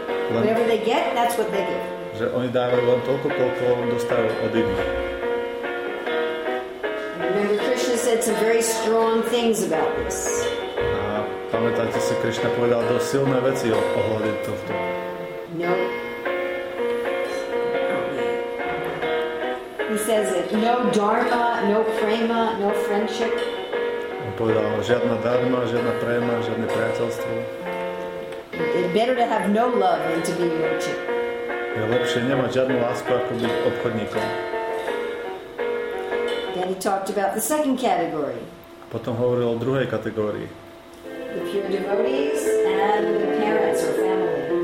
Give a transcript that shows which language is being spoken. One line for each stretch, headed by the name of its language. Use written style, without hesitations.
English: Len, whatever they get, that's what they give.
Slovak: Že oni dávajú len toľko, koľko dostajú od iných.
English: Remember, Krishna said some very strong things about this.
Slovak: A pamätáte si, Krishna povedal dosť silné veci ohľadne tohto.
English: No. He says it. No dharma, no prema, no friendship.
Slovak: Povedal, žiadna dharma, žiadna prema, žiadne priateľstvo.
English: Better to have no love than to be a merchant.
Slovak: Je lepšie nemať žiadnu lásku ako byť obchodníkom.
English: Then he talked about the second category.
Slovak: Potom hovoril o druhej kategórii.
English: The pure devotees and the parents or family.